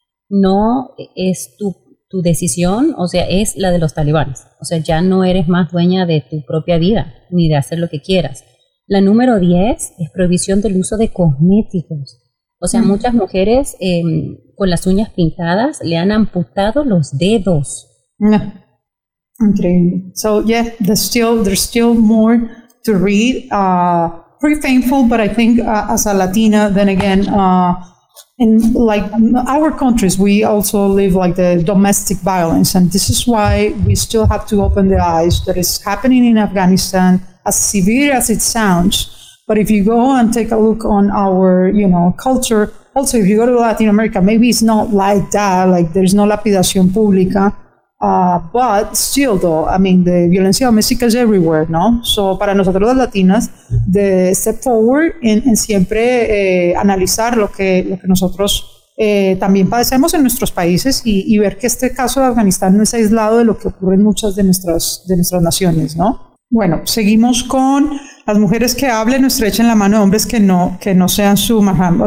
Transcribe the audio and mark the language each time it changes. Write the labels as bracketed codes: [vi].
[es] No es tu decisión, o sea, es la de los talibanes. O sea, ya no eres más dueña de tu propia vida, ni de hacer lo que quieras. La número 10 es prohibición del uso de cosméticos. O sea, muchas mujeres con las uñas pintadas le han amputado los dedos. No. Increíble. [en] So, yeah, there's still more to read. Pretty painful, but I think as a Latina, then again, and like our countries, we also live like the domestic violence, and this is why we still have to open the eyes that is happening in Afghanistan, as severe as it sounds. But if you go and take a look on our, you know, culture, also if you go to Latin America, maybe it's not like that, like there's no [es] lapidación pública, [en] but still though, I mean, the [es] violencia doméstica [en] is everywhere, no? [es] So para nosotros las latinas, [en] the step forward [es] en siempre analizar lo que nosotros también padecemos en nuestros países, y ver que este caso de Afganistán no es aislado de lo que ocurre en muchas de nuestras naciones, no? Bueno, seguimos con las mujeres que hablen o estrechen la mano de hombres que no sean su mahram.